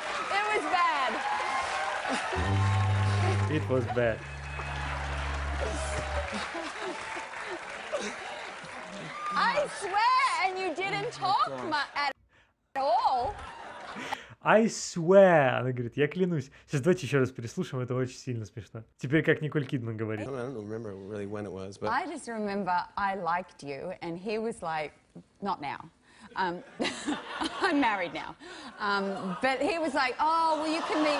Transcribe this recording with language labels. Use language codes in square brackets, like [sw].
[en] It was bad. It was bad. I swear, and you didn't talk at all. I swear, [ru] она говорит, я клянусь. Сейчас давайте еще раз переслушаем, это очень сильно смешно. Теперь как Николь Кидман говорит. [en] I don't remember really when it was, but I just remember I liked you, and he was like, not now. I'm married now. But he was like, oh, well, you can meet.